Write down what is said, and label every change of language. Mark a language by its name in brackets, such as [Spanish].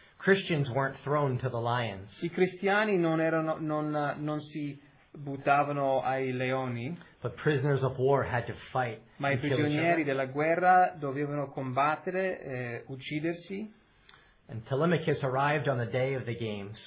[English] Christians weren't thrown to the lions. [Italian] I cristiani non si buttavano ai leoni. [English] But prisoners of war had to fight. [Italian] Ma i prigionieri della guerra dovevano combattere e uccidersi. [English] And Telemachus arrived on the day of the games.